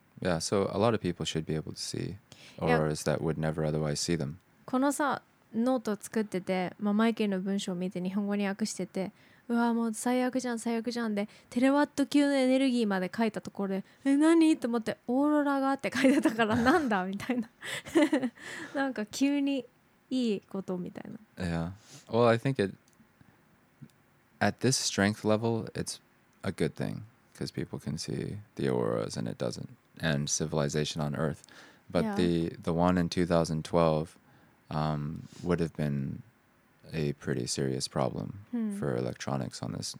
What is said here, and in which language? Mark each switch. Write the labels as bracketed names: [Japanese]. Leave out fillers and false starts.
[English] Yeah, so a lot of people should be able to see auroras that would never otherwise see them. [Japanese] このさ、ノート作ってて、まあ、マイケルの文章を見て日本語に訳してて、うわもう最悪じゃん最悪じゃんでテラワット級のエネルギーまで書いたところでえ何と思ってオーロラがって書いてたからなんだみたいななんか急にいいことみたいな [English] Yeah. Well, I think it at this strength level it's a good thing because people can see the auroras and it doesn't and civilization on Earth but the one in 2012 would have been a pretty serious problem for electronics on this.